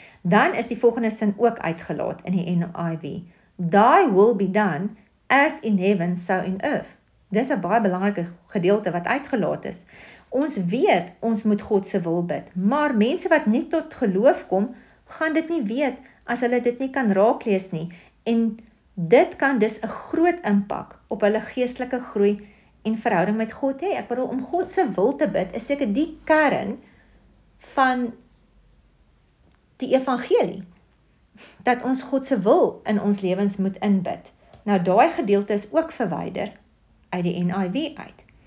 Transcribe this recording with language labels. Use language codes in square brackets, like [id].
[af] Dan is die volgende sin ook uitgelaat in die NIV. [en] Thy will be done as in heaven so in earth. [af] Dis 'n baie belangrike gedeelte wat uitgelaat is. Ons weet ons moet God se wil bid, maar mense wat nie tot geloof kom, gaan dit nie weet as hulle dit nie kan raaklees nie en dit kan dus 'n groot impak op hulle geestelike groei en verhouding met God hê. Ek bedoel om God se wil te bid is seker die kern van die evangelie. Dat ons God se wil in ons lewens moet inbid. Nou daai gedeelte is ook verwyder uit die NIV uit.